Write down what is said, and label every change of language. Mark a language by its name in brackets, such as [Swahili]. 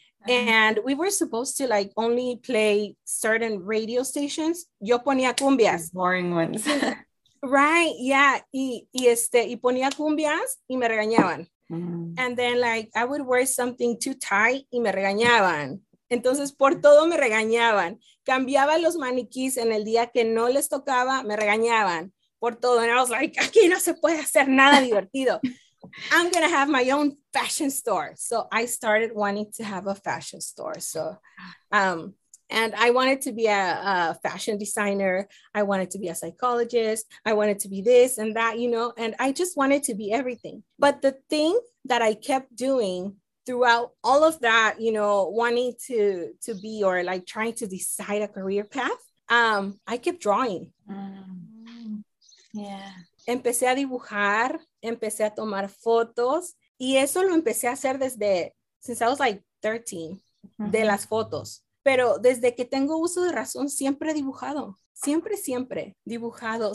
[English] And we were supposed to like only play certain radio stations. [Spanish] Yo ponía cumbias. [English] Boring ones. Right, yeah. [Spanish] Y ponía cumbias y me regañaban. Mm-hmm. [English] And then like I would wear something too tight [Spanish] y me regañaban. Entonces por todo me regañaban. Cambiaba los maniquís en el día que no les tocaba, me regañaban por todo. [English] And I was like, [Spanish] aquí no se puede hacer nada divertido. [English] I'm going to have my own fashion store. So I started wanting to have a fashion store. So, and I wanted to be a fashion designer. I wanted to be a psychologist. I wanted to be this and that, you know, and I just wanted to be everything. But the thing that I kept doing throughout all of that, you know, wanting to be or like trying to decide a career path, I kept drawing. [Spanish] Empecé a dibujar, empecé a tomar fotos, y eso lo empecé a hacer desde, [English] since I was like 13, [Spanish] de las fotos. Pero desde que tengo uso de razón, siempre he dibujado, siempre, siempre dibujado.